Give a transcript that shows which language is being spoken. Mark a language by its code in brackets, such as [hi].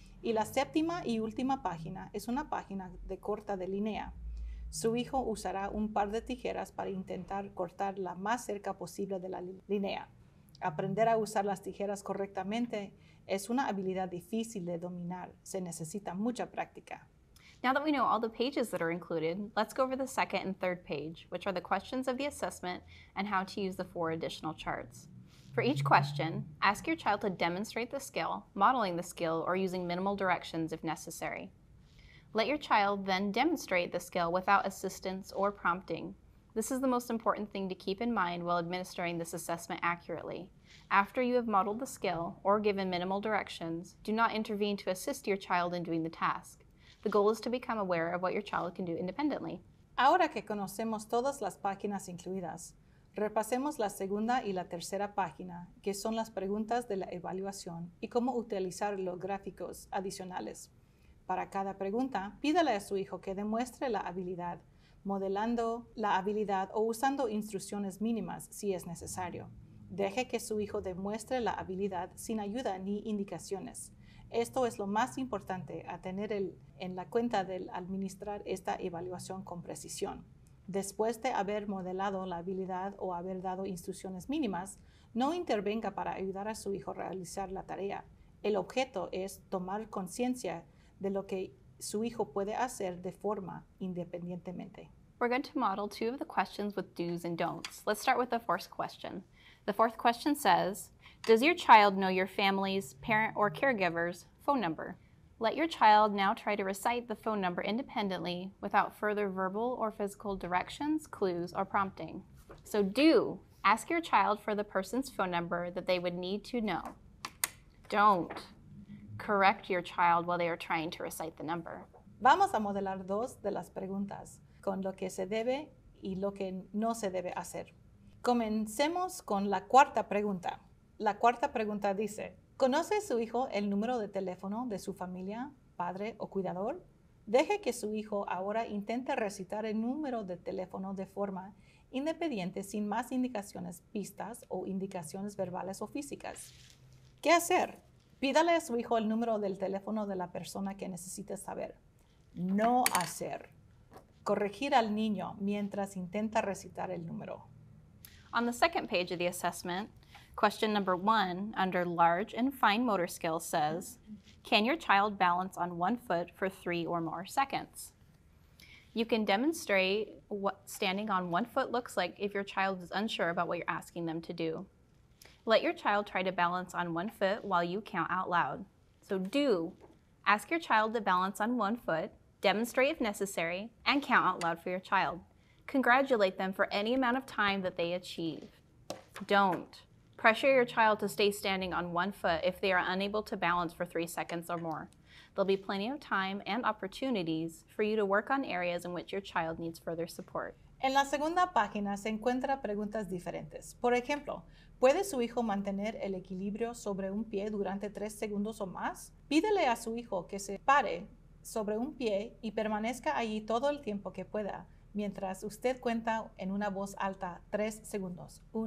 [es] Y la séptima y última página es una página de corta de línea. Su hijo usará un par de tijeras para intentar cortar la más cerca posible de la línea. Aprender a usar las tijeras correctamente es una habilidad difícil de dominar. Se necesita mucha práctica. [en] Now that we know all the pages that are included, let's go over the second and third page, which are the questions of the assessment and how to use the 4 additional charts. For each question, ask your child to demonstrate the skill, modeling the skill, or using minimal directions if necessary. Let your child then demonstrate the skill without assistance or prompting. This is the most important thing to keep in mind while administering this assessment accurately. After you have modeled the skill or given minimal directions, do not intervene to assist your child in doing the task. The goal is to become aware of what your child can do independently. [es] Ahora que conocemos todas las páginas incluidas, repasemos la segunda y la tercera página, que son las preguntas de la evaluación y cómo utilizar los gráficos adicionales. Para cada pregunta, pídale a su hijo que demuestre la habilidad, modelando la habilidad o usando instrucciones mínimas si es necesario. Deje que su hijo demuestre la habilidad sin ayuda ni indicaciones. Esto es lo más importante a tener en la cuenta del administrar esta evaluación con precisión. Después de haber modelado la habilidad o haber dado instrucciones mínimas, no intervenga para ayudar a su hijo a realizar la tarea. El objeto es tomar conciencia de lo que su hijo puede hacer de forma independientemente. [en] We're going to model two of the questions with do's and don'ts. Let's start with the first question. The fourth question says, does your child know your family's parent or caregiver's phone number? Let your child now try to recite the phone number independently without further verbal or physical directions, clues, or prompting. So do ask your child for the person's phone number that they would need to know. Don't correct your child while they are trying to recite the number. [es] Vamos a modelar dos de las preguntas, con lo que se debe y lo que no se debe hacer. Comencemos con la cuarta pregunta. La cuarta pregunta dice, ¿conoce su hijo el número de teléfono de su familia, padre o cuidador? Deje que su hijo ahora intente recitar el número de teléfono de forma independiente sin más indicaciones, pistas o indicaciones verbales o físicas. ¿Qué hacer? Pídale a su hijo el número del teléfono de la persona que necesita saber. No hacer. Corregir al niño mientras intenta recitar el número. [en] On the second page of the assessment, question number one under large and fine motor skills says, can your child balance on one foot for 3 or more seconds? You can demonstrate what standing on one foot looks like if your child is unsure about what you're asking them to do. Let your child try to balance on one foot while you count out loud. So do ask your child to balance on one foot, demonstrate if necessary, and count out loud for your child. Congratulate them for any amount of time that they achieve. Don't pressure your child to stay standing on one foot if they are unable to balance for 3 seconds or more. There'll be plenty of time and opportunities for you to work on areas in which your child needs further support. [es] En la segunda página se encuentra preguntas diferentes. Por ejemplo, ¿puede su hijo mantener el equilibrio sobre un pie durante 3 segundos o más? Pídele a su hijo que se pare sobre un pie y permanezca allí todo el tiempo que pueda, mientras usted cuenta en una voz alta 3 segundos.